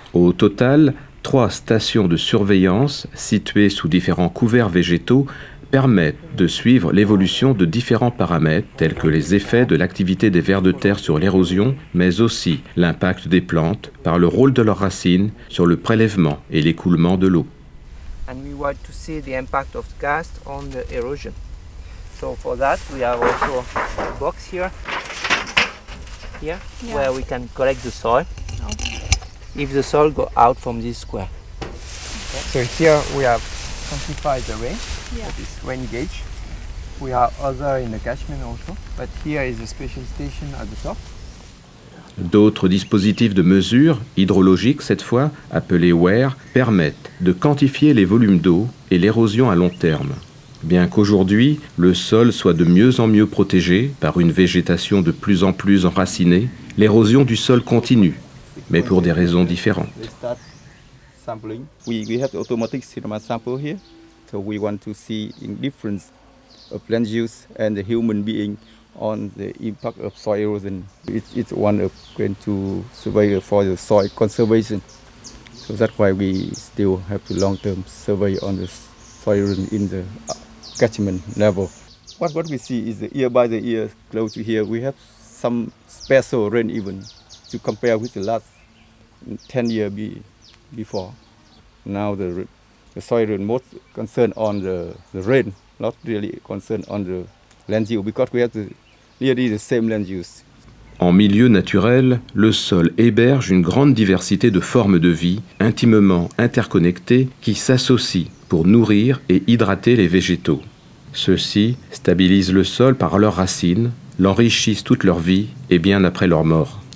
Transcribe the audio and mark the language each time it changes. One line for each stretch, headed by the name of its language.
French: Au total, 3 stations de surveillance situées sous différents couverts végétaux permettent de suivre l'évolution de différents paramètres tels que les effets de l'activité des vers de terre sur l'érosion, mais aussi l'impact des plantes par le rôle de leurs racines sur le prélèvement et l'écoulement de l'eau.
English: And we want to see the impact of cast on the erosion. So for that, we have also a box here, yeah. Where we can collect the soil. Okay. If the soil go out from this square. Okay. So here we have quantified the rain, yeah. This rain gauge. We have other in the catchment also, but here is a special station at the top.
French: D'autres dispositifs de mesure, hydrologiques cette fois, appelés WEAR, permettent de quantifier les volumes d'eau et l'érosion à long terme. Bien qu'aujourd'hui, le sol soit de mieux en mieux protégé par une végétation de plus en plus enracinée, l'érosion du sol continue, mais pour des raisons différentes.
English: We start sampling. We have the automatic sediment sample here, so we want to see the difference of land use and the human being on the impact of soil erosion. It's one of going to survey for the soil conservation. So that's why we still have the long-term survey on this. In the catchment level. What we see is year by year, close to here, we have some special rain even to compare with the last 10 years before. Now the soil rain most concerned on the rain, not really concerned on the land use, because we have nearly the same land use.
French: En milieu naturel, le sol héberge une grande diversité de formes de vie intimement interconnectées qui s'associent pour nourrir et hydrater les végétaux. Ceux-ci stabilisent le sol par leurs racines, l'enrichissent toute leur vie et bien après leur mort.